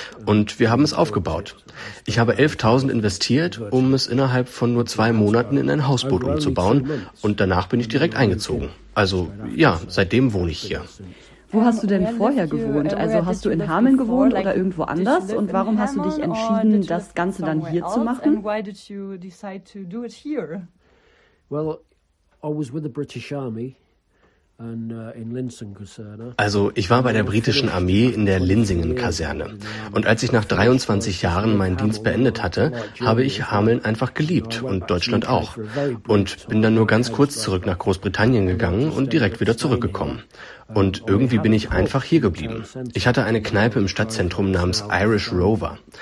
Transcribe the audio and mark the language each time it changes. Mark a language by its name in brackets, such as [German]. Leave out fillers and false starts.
[German] Und wir haben es aufgebaut. Ich habe 11.000 investiert, um es innerhalb von nur 2 Monaten in ein Hausboot umzubauen. Und danach bin ich direkt eingezogen. Also ja, seitdem wohne ich hier. Wo hast du denn vorher gewohnt? Also hast du in Hameln gewohnt oder irgendwo anders? Und warum hast du dich entschieden, das Ganze dann hier zu machen? [English] Well, I was with the British Army and in Linsen Kaserne. [German] Also, ich war bei der britischen Armee in der Linsingen Kaserne. Und als ich nach 23 Jahren meinen Dienst beendet hatte, habe ich Hameln einfach geliebt und Deutschland auch. Und bin dann nur ganz kurz zurück nach Großbritannien gegangen und direkt wieder zurückgekommen. Und irgendwie bin ich einfach hier geblieben. Ich hatte eine Kneipe im Stadtzentrum namens Irish Rover.